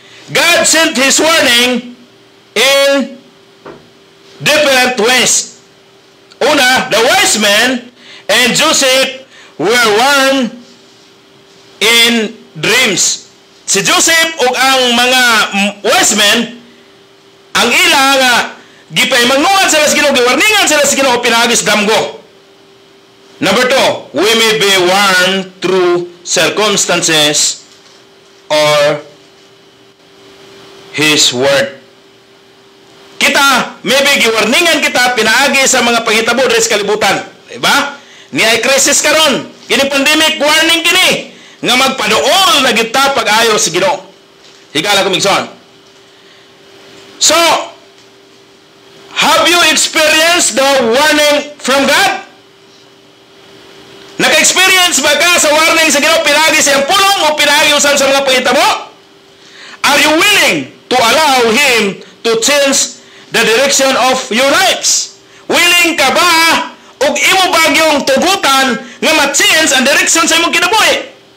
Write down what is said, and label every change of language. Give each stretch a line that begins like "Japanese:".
English: God sent His warning in different ways. Una, the wise men and Joseph were one in dreams.
Cebuano: Si Joseph o ang mga wise men, ang ilang gipaimangnuan sila sa Ginoo, giwarningan sila sa Ginoo pinaagi sa damgo.
English: Number two, we may be warned through circumstances or His word.
Cebuano: Kita, maybe giwarningan kita pinaagi sa mga panghitabo sa kalibutan. Diba? Niya'y crisis karon. Kini pandemic, warning kini nga magpaduol na kita pag-ayo sa Ginoo. Higala ko, Mingson.
English: So, have you experienced the warning from God?
Cebuano: Naka-experience ba ka sa warning sa Ginoo pinagi sa iyong pulong o pinagi usan sa mga pangita mo?
English: Are you willing to allow Him to change the direction of your lives?
Cebuano: Willing ka ba og imo bagyong tugutan nga ma-change ang direction sa imong kinabuhi?